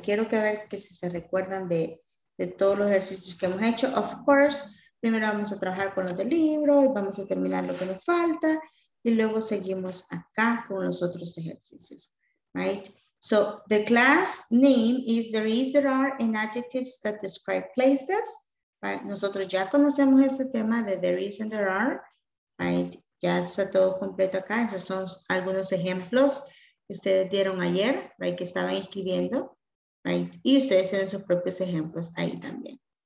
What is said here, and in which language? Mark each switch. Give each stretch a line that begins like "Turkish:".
Spanish: Quiero que ver que si se recuerdan de todos los ejercicios que hemos hecho,
English: of course,
Spanish: primero vamos a trabajar con los del libro, vamos a terminar lo que nos falta y luego seguimos acá con los otros ejercicios, right?
English: So, the class name is There Is, There Are, and Adjectives That Describe Places, right?
Spanish: Nosotros ya conocemos este tema de There Is and There Are, right? Ya está todo completo acá, esos son algunos ejemplos que ustedes dieron ayer, right? Que estaban escribiendo, right? Y ustedes tienen sus propios ejemplos ahí también.